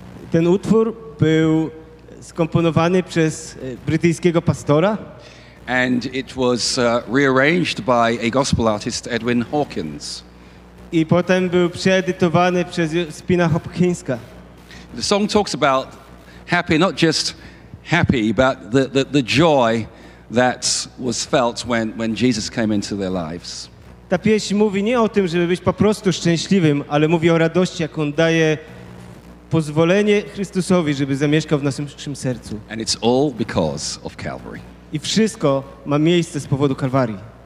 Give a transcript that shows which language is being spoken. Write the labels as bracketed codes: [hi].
[pl] Ten utwór był skomponowany przez brytyjskiego pastora. [en] And it was rearranged by a gospel artist, Edwin Hawkins. [pl] I potem był przeedytowany przez Spina Hopkinska. [en] The song talks about happy, not just happy, but the joy that was felt when Jesus came into their lives. [pl] Ta pieśń mówi nie o tym, żeby być po prostu szczęśliwym, ale mówi o radości, jaką daje pozwolenie Chrystusowi, żeby zamieszkał w naszym sercu. [en] And it's all because of Calvary. [pl] I wszystko ma miejsce z powodu Kalwarii.